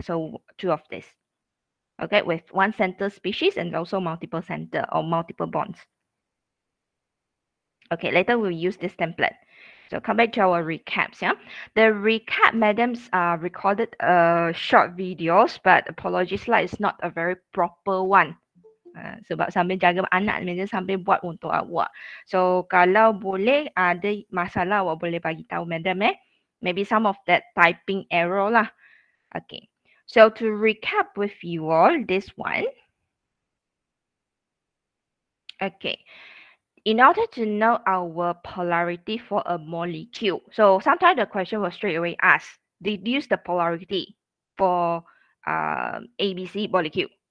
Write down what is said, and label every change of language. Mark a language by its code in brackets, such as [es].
[en] So two of this. Okay, with one center species and also multiple center or multiple bonds. Okay, later we'll use this template. So come back to our recaps. Yeah, the recap madam's recorded a short videos, but apologies, like it's not a very proper one. [ms] Sebab sambil jaga anak macam sambil buat untuk awak. So kalau boleh ada masalah awak boleh bagi tahu madam eh. [en] Maybe some of that typing error lah. Okay. So to recap with you all this one. Okay. In order to know our polarity for a molecule. So sometimes the question will straight away ask, deduce the polarity for ABC molecule.